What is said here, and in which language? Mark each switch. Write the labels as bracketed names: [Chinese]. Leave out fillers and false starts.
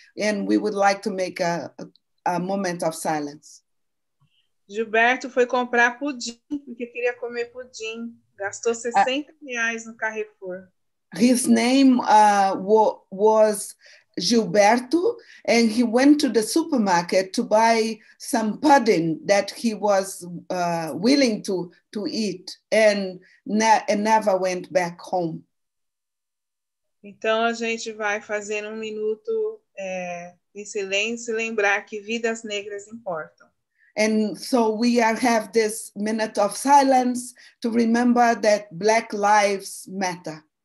[English] And we would like to make a moment of silence. [Portuguese] Gilberto foi comprar pudim, porque queria comer pudim. Gastou 60 reais no Carrefour. [English] His name was Gilberto, and he went to the supermarket to buy some pudding that he was willing to eat, and never went back home. [Portuguese] Então a gente vai fazer minuto em silêncio, lembrar que vidas negras importam. [English] And so we have this minute of silence to remember that Black lives matter.